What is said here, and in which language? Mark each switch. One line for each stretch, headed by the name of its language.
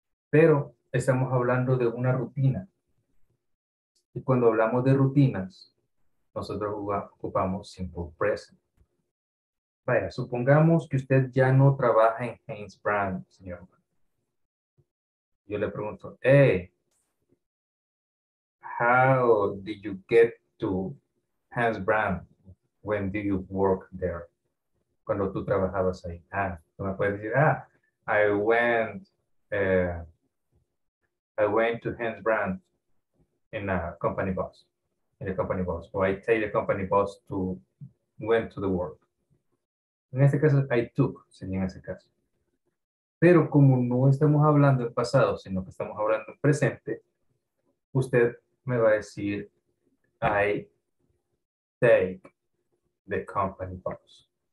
Spanish: Pero estamos hablando de una rutina. Y cuando hablamos de rutinas, nosotros ocupamos simple present. Vaya, supongamos que usted ya no trabaja en Haynes Brand, señor Marvin. Yo le pregunto,
English: hey, how did you get to Hans Brown? When did you work there?
Spanish: Cuando tú trabajabas ahí.
English: Ah,
Spanish: tú me puedes decir,
English: I went to Hans Brown in a company bus. In a company bus. Or I take the company bus to, went to the work.
Spanish: En este caso,
English: I took,
Spanish: sería en ese caso. Pero como no estamos hablando en pasado, sino que estamos hablando en presente, usted me va a decir,
English: I take the company bus.